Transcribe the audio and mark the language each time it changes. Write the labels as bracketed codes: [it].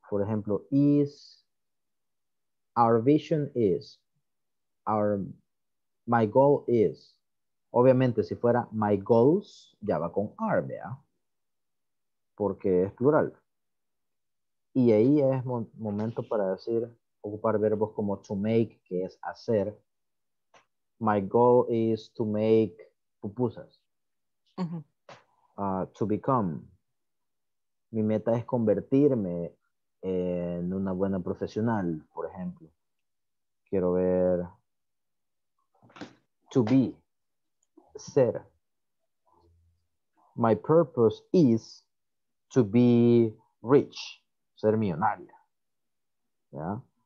[en] Por ejemplo, is, our vision is, our, my goal is. [es] Obviamente, si fuera my goals, ya va con are, ¿verdad? Porque es plural. Y ahí es momento para decir, ocupar verbos como to make, que es hacer. [en] My goal is to make pupusas. Uh-huh. To become. [es] Mi meta es convertirme en una buena profesional, por ejemplo. Quiero ver. [en] To be. Ser. My purpose is to be rich. Ser millonaria. ¿Ya?